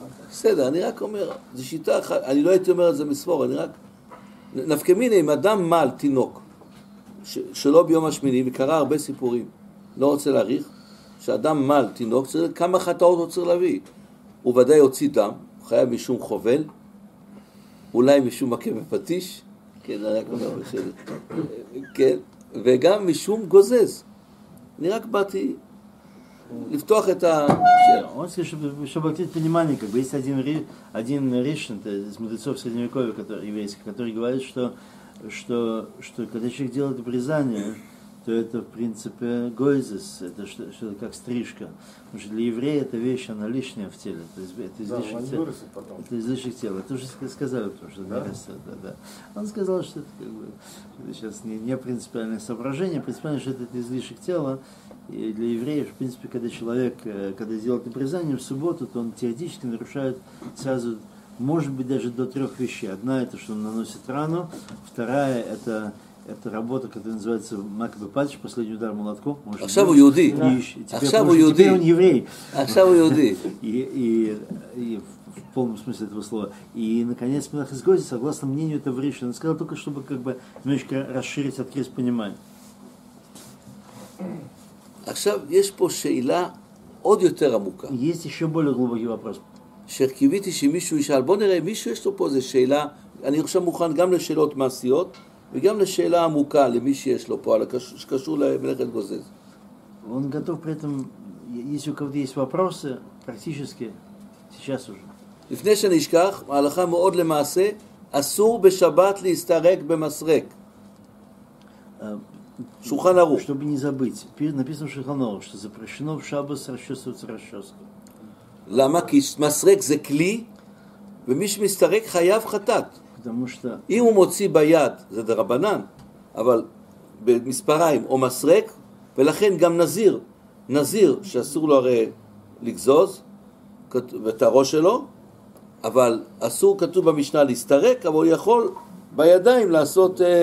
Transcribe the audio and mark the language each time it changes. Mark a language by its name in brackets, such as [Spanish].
[Hebrew] בסדר, אני רק אומר, זו שיטה אחת, אני לא הייתי אומר את זה מסבור, אני רק, נפקא מינה, אם אדם מל, תינוק, שלא ביום השמיני, וקרה הרבה סיפורים, לא רוצה להאריך, שאדם מל, תינוק, כמה חטאות הוא צריך להביא? הוא ודאי הוציא דם, הוא חייב משום חובל, אולי משום מכה בפטיש, כן, אני רק אומר, כן, וגם משום גוזז. אני רק באתי לפתוח את ה... [Russian] он сказал, чтобы обратить внимание, как бы есть один решен, то есть мудрецов средневековья, который еврейский, который говорит, что когда человек делает обрезание, то это в принципе гойзес, это что-то как стрижка. Потому что для еврея эта вещь, она лишняя в теле. То есть это излишек тела. Да, это излишек тела. Это уже сказали, потому что да? Вырастет, да, да. Он сказал, что это как бы сейчас не принципиальное соображение, принципиально, что это излишек тела. И для евреев, в принципе, когда человек, когда делает обрезание в субботу, то он теоретически нарушает сразу, может быть, даже до трех вещей. Одна – это, что он наносит рану. Вторая – это работа, которая называется «Макбе Патч», «Последний удар молотком». Может, «Ахшаву Юди». «Ахшаву Юди». «Теперь он еврей». «Ахшаву Юди». И в полном смысле этого слова. И, наконец, Менахес Гойзес, согласно мнению этого решения, он сказал только, чтобы как бы немножечко расширить, открыть понимание. [Hebrew] עכשיו יש פה שאלה עוד יותר עמוקה. יש [Russian] еще более глубокий вопрос. [Hebrew] שקיוויתי שמישהו ישאל, בוא נראה, מישהו יש לו פה איזה שאלה, אני עכשיו מוכן גם לשאלות מעשיות, וגם לשאלה עמוקה למי שיש לו פה, שקשור למלאכת גוזז. [Russian] он готов при этом, если у кого-то есть вопросы, практически, сейчас уже. [Hebrew] לפני שאני אשכח, ההלכה מאוד למעשה, אסור בשבת להסתרק במסרק. שולחן ערוך. [Russian] чтобы не забыть, написано в שולחן ערוך, что запрещено в шаббас расчесываться расческой. [Hebrew] למה? כי מסרק זה כלי, ומי שמסתרק חייב חטאת. [Russian] потому что... [Hebrew] אם הוא מוציא ביד, זה דרבנן, אבל במספריים, או מסרק, ולכן גם נזיר שאסור לו הרי לגזוז, ואת הראש שלו, אבל אסור, כתוב במשנה, להסתרק, אבל הוא יכול בידיים לעשות...